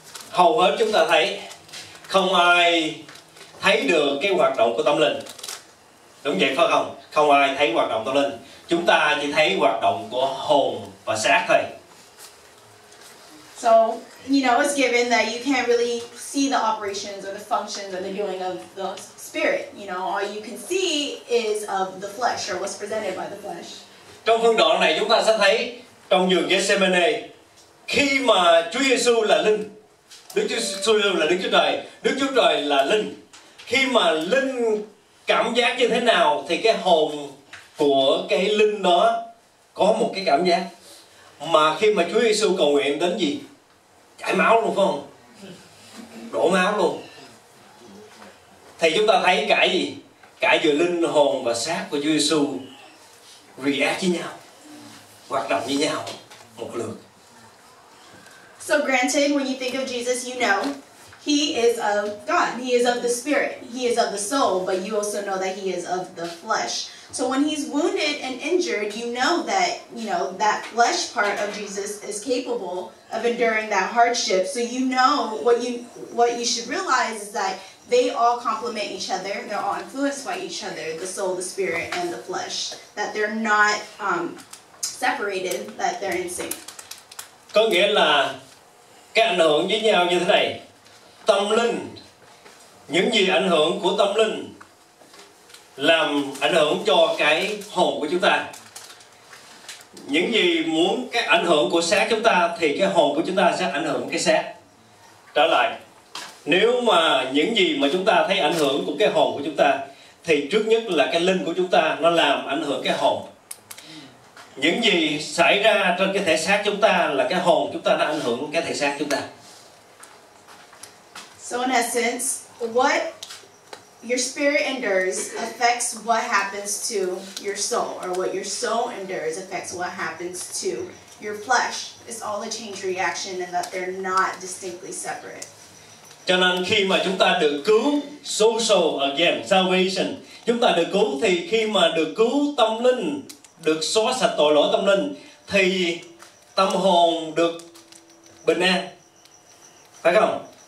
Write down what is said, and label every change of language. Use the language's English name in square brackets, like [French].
[Vietnamese] Hầu hết chúng ta thấy không ai thấy được cái hoạt động của tâm linh. Đúng vậy phải không? Không ai thấy hoạt động tâm linh. Chúng ta chỉ thấy hoạt động của hồn và xác thôi. [English] So, you know, it's given that you can't really see the operations or the functions or the doing of the spirit. You know, all you can see is of the flesh or what's presented by the flesh. [Vietnamese] Trong phân đoạn này chúng ta sẽ thấy trong vườn Gethsemane, khi mà Chúa Giêsu là linh, Đức Chúa Giêsu là Đức Chúa Trời, Đức Chúa Trời là linh. Khi mà linh cảm giác như thế nào thì cái hồn của cái linh đó có một cái cảm giác. Mà khi mà Chúa Giêsu cầu nguyện đến gì? Chảy máu luôn phải không? Đổ máu luôn. Thì chúng ta thấy cả gì? Cả vừa linh hồn và xác của Chúa Giêsu react với nhau, hoạt động với nhau một lượt. [English] So granted, when you think of Jesus, you know he is of God. He is of the spirit. He is of the soul. But you also know that he is of the flesh. So when he's wounded and injured, you know, that flesh part of Jesus is capable of enduring that hardship. So you know what you should realize is that they all complement each other. They're all influenced by each other, the soul, the spirit, and the flesh. That they're not separated, that they're in sync. [Vietnamese] Có nghĩa là cái ảnh hưởng với nhau như thế này. Tâm linh, những gì ảnh hưởng của tâm linh làm ảnh hưởng cho cái hồn của chúng ta. Những gì muốn cái ảnh hưởng của xác chúng ta thì cái hồn của chúng ta sẽ ảnh hưởng cái xác. trở lại. Nếu mà những gì mà chúng ta thấy ảnh hưởng của cái hồn của chúng ta, thì trước nhất là cái linh của chúng ta nó làm ảnh hưởng cái hồn. Những gì xảy ra trên cái thể xác chúng ta là cái hồn chúng ta đã ảnh hưởng cái thể xác chúng ta. So in essence, what your spirit endures affects what happens to your soul, or what your soul endures affects what happens to your flesh. It's all a chain reaction, and that they're not distinctly separate. Cho nên khi mà chúng ta được cứu, [English] soul again, salvation, [Vietnamese] chúng ta được cứu, thì khi mà được cứu tâm linh, được xóa sạch tội lỗi tâm linh, thì tâm hồn được bình an. Phải không?